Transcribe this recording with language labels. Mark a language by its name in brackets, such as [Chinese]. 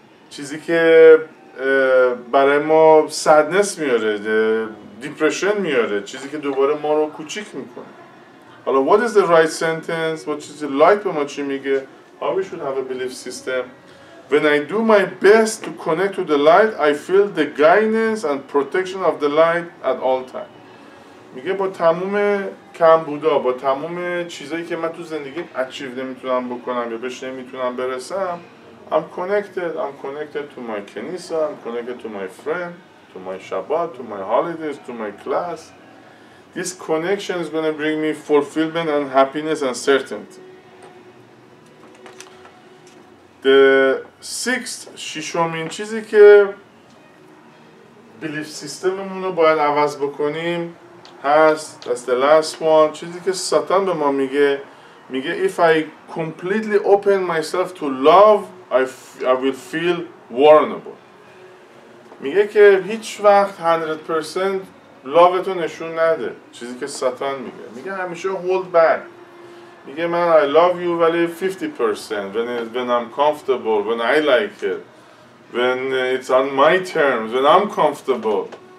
[Persian] چیزی که برای ما سدنس میاره، دیپرشن میاره، چیزی که دوباره ما رو کوچیک میکنه. [English] حالا what is the right sentence؟ what is the light [Persian] به ما چی میگه؟ [English] how we should have a belief system؟ when I do my best to connect to the light I feel the guidance and protection of the light at all time. [Persian] میگه با تموم کمبودا، با تموم چیزایی که من تو زندگی اچیو نمیتونم بکنم یا بهش نمیتونم برسم، [English] I'm connected to my [Persian] کنیسه، [English] I'm connected to my friend, to my Shabbat, to my holidays, to my class. This connection is going to bring me fulfillment and happiness and certainty. The sixth, [Persian] ششمین چیزی که belief systemمون رو باید عوض بکنیم هست. [English] That's the last one. [Persian] چیزی که ساتان به ما میگه، میگه [English] if I completely open myself to love, I will feel vulnerable. [Persian] میگه که هیچ وقت 100% لاوتو نشون نده. چیزی که ساتان میگه، میگه همیشه [English] hold back. [Persian] میگه من [English] I love you ولی 50% when I'm comfortable, when I like it, when it's on my terms, when I'm comfortable.